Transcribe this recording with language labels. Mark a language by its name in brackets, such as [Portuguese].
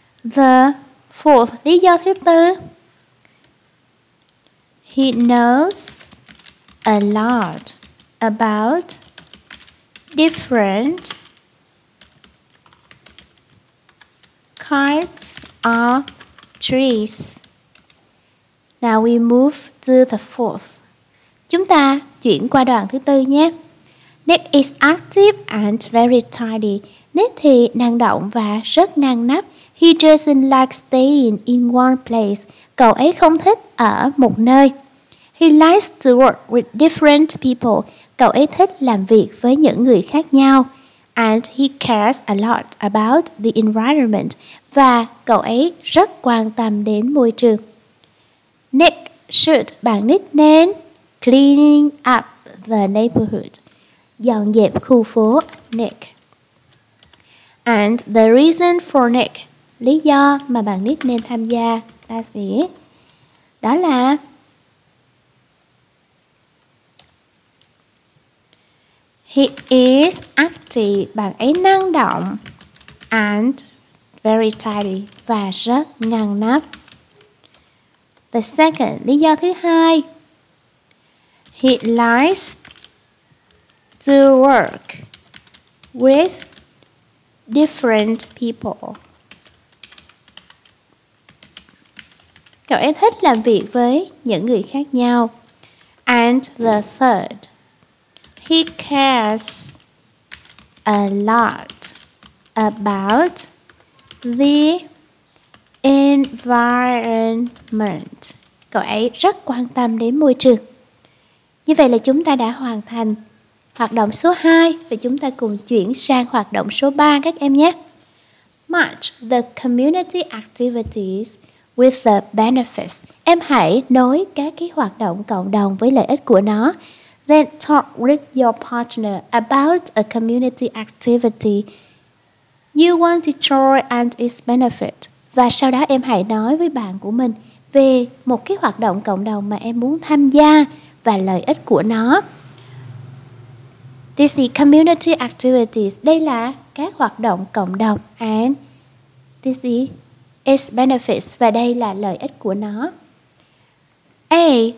[English] The fourth, [Vietnamese] lý do thứ tư, [English] he knows a lot about different kinds of trees. Now we move to the fourth. [Vietnamese] Chúng ta chuyển qua đoạn thứ tư nhé. [English] Nick is active and very tidy. [Vietnamese] Nick thì năng động và rất ngăn nắp. [English] He doesn't like staying in one place. [Vietnamese] Cậu ấy không thích ở một nơi. [English] He likes to work with different people. [Vietnamese] Cậu ấy thích làm việc với những người khác nhau. [English] And he cares a lot about the environment. [Vietnamese] Và cậu ấy rất quan tâm đến môi trường. [English] Nick should, [Vietnamese] bạn Nick nên [English] cleaning up the neighborhood. [Vietnamese] Dọn dẹp khu phố Nick. [English] And the reason for Nick. [Vietnamese] Lý do mà bạn Nick nên tham gia ta sẽ đó là [English] he is active, [Vietnamese] bạn ấy năng động, [English] and very tidy, [Vietnamese] và rất ngăn nắp. [English] The second, [Vietnamese] lý do thứ hai, [English] he likes to work with different people. [Vietnamese] Cậu ấy thích làm việc với những người khác nhau. [English] And the third, he cares a lot about the environment. [Vietnamese] Cậu ấy rất quan tâm đến môi trường. Như vậy là chúng ta đã hoàn thành hoạt động số 2 và chúng ta cùng chuyển sang hoạt động số 3 các em nhé. [English] Match the community activities with the benefits. [Vietnamese] Em hãy nối các cái hoạt động cộng đồng với lợi ích của nó. [English] Then talk with your partner about a community activity you want to try and its benefit. [Vietnamese] Và sau đó em hãy nói với bạn của mình về một cái hoạt động cộng đồng mà em muốn tham gia và lợi ích của nó. [English] This is community activities. [Vietnamese] Đây là các hoạt động cộng đồng. [English] And This is its benefits. [Vietnamese] Và đây là lợi ích của nó. A.